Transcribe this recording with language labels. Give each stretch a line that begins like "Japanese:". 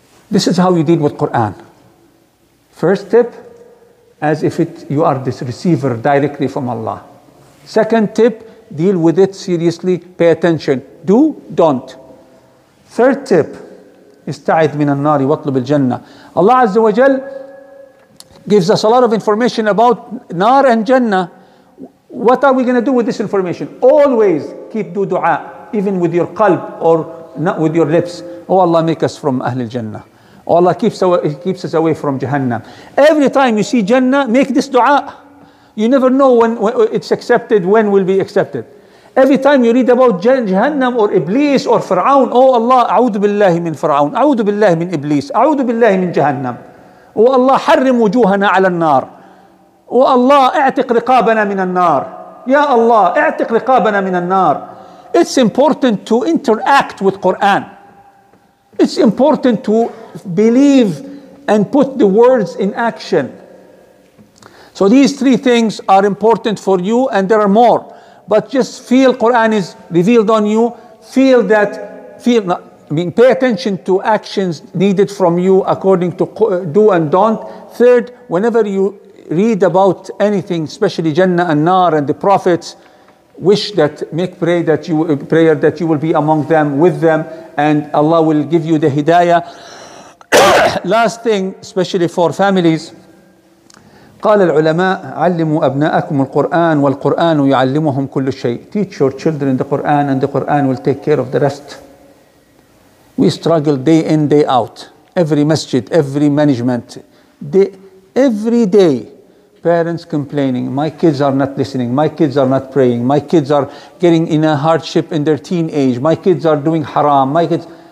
English: This is how you deal with Quran. First tip, as if it you are this receiver directly from Allah. Second tip, deal with it seriously. Pay attention. Do, don't. Third tip,
Arabic: استعذ من النار واطلب الجنة.
English: Allah Azza wa Jal gives us a lot of information about nar and jannah. What are we going to do with this information? Always keep do dua, even with your qalb or not with your lips. Oh Allah, make us from Ahlul Jannah. Oh Allah, keeps us away from Jahannam. Every time you see Jannah, make this dua. You never know when it's accepted, when will be accepted. Every time you read about Jahannam or Iblis or Fir'aun, oh Allah,
Arabic: أعوذ بالله من فرعون, أعوذ بالله من إبليس, أعوذ بالله من جهنم.
English: Oh Allah,
Arabic: حرم وجوهنا على النار. Oh Allah, اعتق رقابنا من النار. يا الله اعتق رقابنا من النار.
English: It's important to interact with Quran. It's important to believe and put the words in action. So these three things are important for you, and there are more. But just feel Quran is revealed on you. Pay attention to actions needed from you according to do and don't. Third, whenever you read about anything, especially Jannah and Nar and the prophets, make prayer that you will be among them, with them, and Allah will give you the hidayah. Last thing, especially for families.
Arabic: قال العلماء علموا أبناءكم القرآن والقرآن يعلمهم كل شيء.
English: Teach your children the Quran, and the Quran will take care of the rest. We struggle day in, day out. Every masjid, every management, every day, parents complaining, my kids are not listening, my kids are not praying, my kids are getting in a hardship in their teenage, my kids are doing haram, my kids.